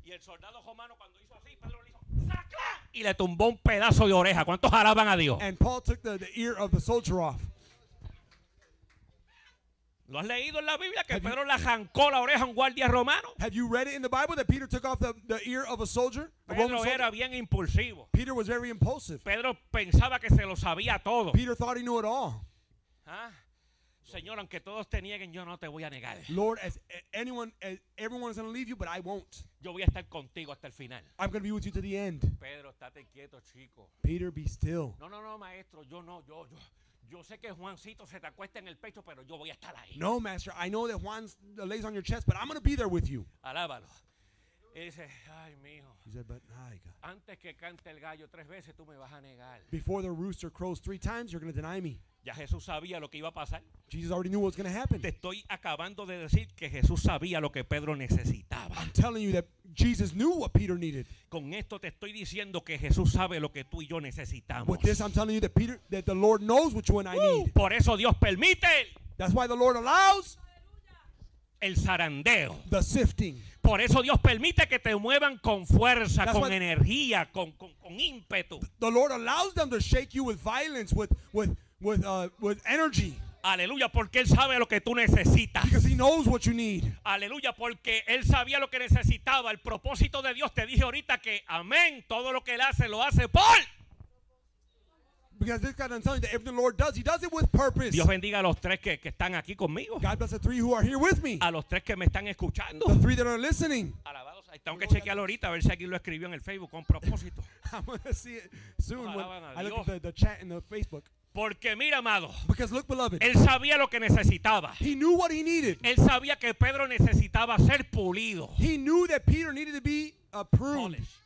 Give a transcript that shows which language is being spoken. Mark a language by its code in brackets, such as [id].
[es] Y el soldado romano cuando hizo así, Pedro le dijo, ¡sacla! Y le tumbó un pedazo de oreja. ¿Cuántos alaban a Dios? [en] And Paul took the ear of the soldier off. [es] ¿Lo has leído en la Biblia que Pedro le arrancó la oreja a un guardia romano? [en] Have you read it in the Bible that Peter took off the ear of a soldier? [es] Pedro era bien impulsivo. [en] Peter was very impulsive. [es] Pedro pensaba que se lo sabía todo. [en] Peter thought he knew it all. [es] Señor, aunque todos te nieguen, yo no te voy a negar. [en] Lord, everyone is going to leave you, but I won't. [es] Yo voy a estar contigo hasta el final. [en] I'm going to be with you to the end. [es] Pedro, estate quieto, chico. [en] Peter, be still. [es] No, maestro, yo no, yo. Yo sé que Juancito se te acuesta en el pecho, pero yo voy a estar ahí. [en] No, master, I know that Juan lays on your chest, but I'm going to be there with you. [es] Alábalo. Y dice, ay, mijo. [en] He said, but my God. [es] Antes que cante el gallo tres veces, tú me vas a negar. [en] Before the rooster crows three times, you're going to deny me. [es] Ya Jesús sabía lo que iba a pasar. [en] Jesus already knew what was going to happen. [es] Te estoy acabando de decir que Jesús sabía lo que Pedro necesitaba. [en] I'm telling you that Jesus knew what Peter needed. [es] Con esto te estoy diciendo que Jesús sabe lo que tú y yo necesitamos. [en] With this, I'm telling you that Peter, that the Lord knows what you and I need. [es] Por eso Dios permite. [en] That's why the Lord allows. [es] El zarandeo. [en] The sifting. [es] Por eso Dios permite que te muevan con fuerza, [en] that's [es] con energía, con ímpetu. [en] The Lord allows them to shake you with violence, with energy. [es] Aleluya, porque él sabe lo que tú necesitas. [en] Because he knows what you need. [es] Aleluya, porque él sabía lo que necesitaba. El propósito de Dios, te dije ahorita que amén, todo lo que él hace lo hace por. [en] Because this guy doesn't tell you that if the Lord does, he does it with purpose. [es] Dios bendiga a los tres que están aquí conmigo. [en] God bless the three who are here with me. [es] A los tres que me están escuchando. [en] The three that are listening. [es] Alabados, tengo que chequear ahorita a ver si alguien lo escribió en el Facebook con propósito. [en] I'm going to see it soon. I look at the chat in the Facebook. [es] Porque mira, amado, [en] because look, beloved, [es] él sabía lo que necesitaba. [en] He knew what he needed. [es] Él sabía que Pedro necesitaba ser pulido. [en] He knew that Peter needed to be pruned.